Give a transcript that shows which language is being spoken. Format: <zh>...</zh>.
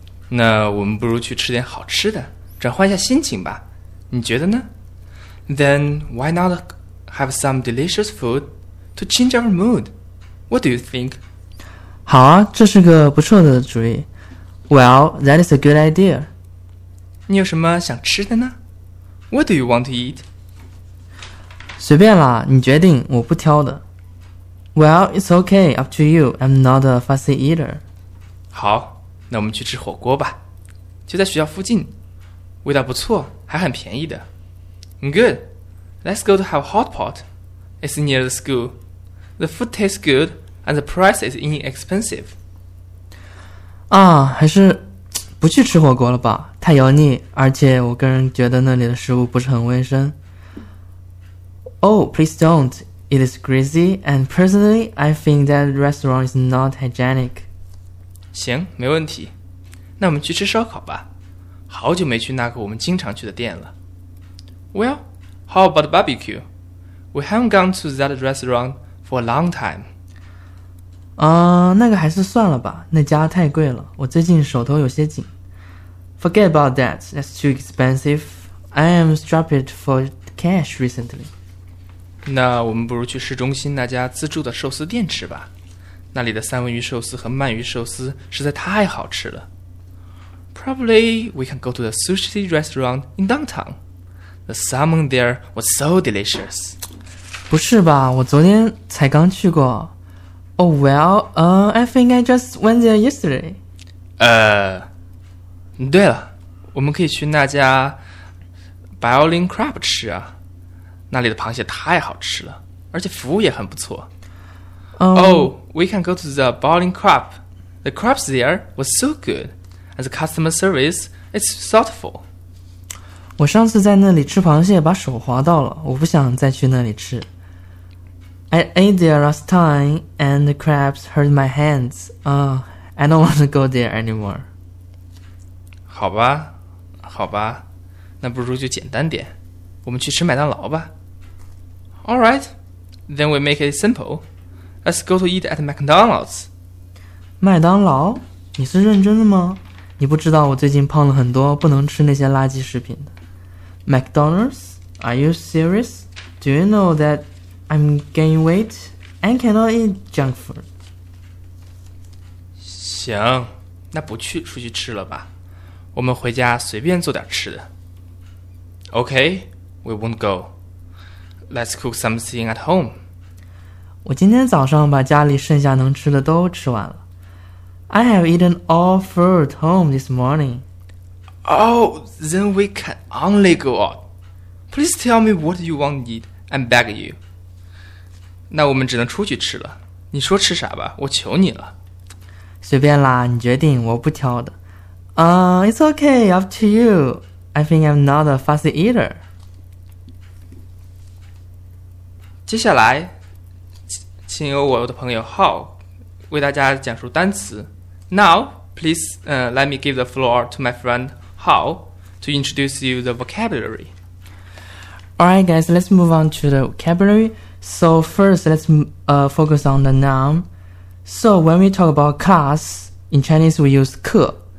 <zh>那我们不如去吃点好吃的，转换一下心情吧。你觉得呢？</zh> <en>Then why not have some delicious food to change our mood? What do you think?</en> <zh>好啊，这是个不错的主意。</zh> <en>Well, that is a good idea.</en> <zh>你有什么想吃的呢？</zh> <en>What do you want to eat?</en> <zh>随便啦，你决定，我不挑的。</zh> <en>Well, it's okay, up to you. I'm not a fussy eater.</en> <zh>好，那我们去吃火锅吧。就在学校附近，味道不错，还很便宜的。</zh> <en>Good. Let's go to have hot pot. It's near the school. The food tastes good, and the price is inexpensive.</en> <zh>啊，还是不去吃火锅了吧，太油腻，而且我个人觉得那里的食物不是很卫生。</zh> <en>Oh, please don't. It is greasy, and personally, I think that restaurant is not hygienic.</en> <zh>行，没问题。那我们去吃烧烤吧。好久没去那个我们经常去的店了。</zh> <en>Well, how about barbecue? We haven't gone to that restaurant. For a long time.</en> <zh>那个还是算了吧，那家太贵了，我最近手头有些紧。</zh> <en>Forget about that, that's too expensive. I am strapped for cash recently.</en> <zh>那我们不如去市中心那家自助的寿司店吃吧，那里的三文鱼寿司和鳗鱼寿司实在太好吃了。</zh> <en>Probably we can go to the sushi restaurant in downtown. The salmon there was so delicious.</en> <zh>不是吧，我昨天才刚去过。</zh> <en>Oh well, I think I just went there yesterday.</en> <zh>对了，我们可以去那家 Biolin Crab 吃啊，那里的螃蟹太好吃了，而且服务也很不错。</zh> <en>Oh, we can go to the Biolin Crab. The crabs there were so good, and the customer service is thoughtful.</en> <zh>我上次在那里吃螃蟹把手划到了，我不想再去那里吃。</zh> <en>I ate there last time, and the crabs hurt my hands. I don't want to go there anymore.</en> <zh>好吧，好吧，那不如就简单点，我们去吃麦当劳吧。</zh> <en>All right, then we make it simple. Let's go to eat at McDonald's.</en> <zh>麦当劳？你是认真的吗？你不知道我最近胖了很多，不能吃那些垃圾食品的。</zh> <en>McDonald's? Are you serious? Do you know that... I'm gaining weight and cannot eat junk food.</en> <zh>行，那不去出去吃了吧，我们回家随便做点吃的。</zh> <en>OK, we won't go. Let's cook something at home.</en> <zh>我今天早上把家里剩下能吃的都吃完了。</zh> <en>I have eaten all food home this morning. Oh, then we can only go out. Please tell me what you want to eat and beg you.</en> <zh>那我们只能出去吃了。你说吃啥吧，我求你了。随便啦，你决定，我不挑的。</zh> <en>It's okay, up to you. I think I'm not a fussy eater.</en> <zh>接下来，请由我的朋友浩为大家讲述单词。</zh> <en>Now, please, let me give the floor to my friend Hao to introduce you the vocabulary. Alright, guys, let's move on to the vocabulary. So first, let's focus on the noun. So when we talk about class, in Chinese, we use 课.</en>